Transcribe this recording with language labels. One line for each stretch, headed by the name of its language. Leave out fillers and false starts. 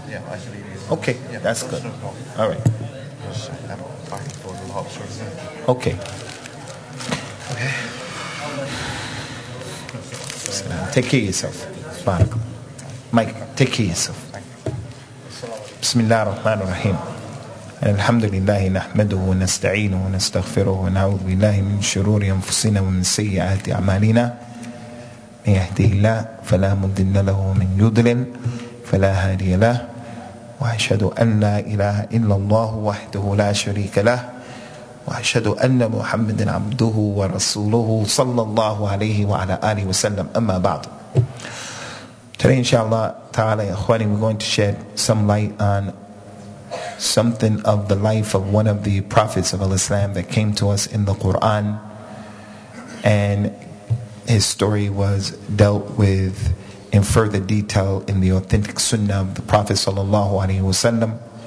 English: Yeah, I should email you. Okay, yeah, that's good. All right. I'm back and forth a lot, sort of thing. Okay. Okay. Take care of yourself. Barak. Mike, take care of yourself.
Arabic: بسم الله الرحمن الرحيم الحمد لله نحمده ونستعينه ونستغفره ونعوذ بالله من شرور أنفسنا ومن سيئات أعمالنا من يهده الله فلا مضل له ومن يضلل فلا هادي له وأشهد أن لا إله إلا الله وحده لا شريك له وأشهد أن محمدا عبده ورسوله صلى الله عليه وعلى آله وسلم أما بعد.
English: Today, inshallah ta'ala, ikhwani, we're going to shed some light on something of the life of one of the prophets of al-Islam that came to us in the Quran. And his story was dealt with in further detail in the authentic sunnah of the Prophet sallallahu alayhi wa sallam.